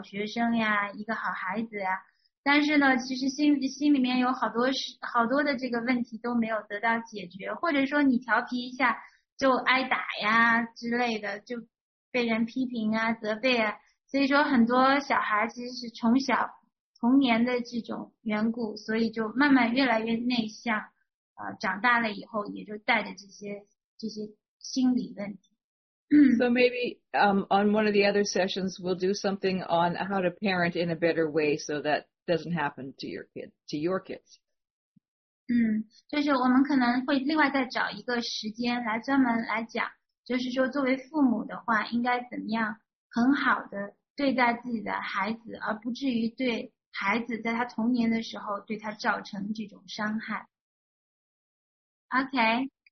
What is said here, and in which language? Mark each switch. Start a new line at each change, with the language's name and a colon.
Chinese: 我说我们中国很多人都是有这种问题，就非常的内向，可能跟童年的时候有关。我们从小都被教育要怎么样行为举止，怎么样做一个好学生呀，一个好孩子呀。但是呢，其实心里面有好多事，好多的这个问题都没有得到解决，或者说你调皮一下就挨打呀之类的，就被人批评啊、责备啊。所以说，很多小孩其实是从小童年的这种缘故，所以就慢慢越来越内向，长大了以后也就带着这些心理问题。
English: So maybe on one of the other sessions, we'll do something on how to parent in a better way so that doesn't happen to your kids.
Chinese: 就是我们可能会另外再找一个时间来专门来讲，就是说作为父母的话，应该怎么样很好的对待自己的孩子，而不至于对孩子在他童年的时候对他造成这种伤害。
English: Okay.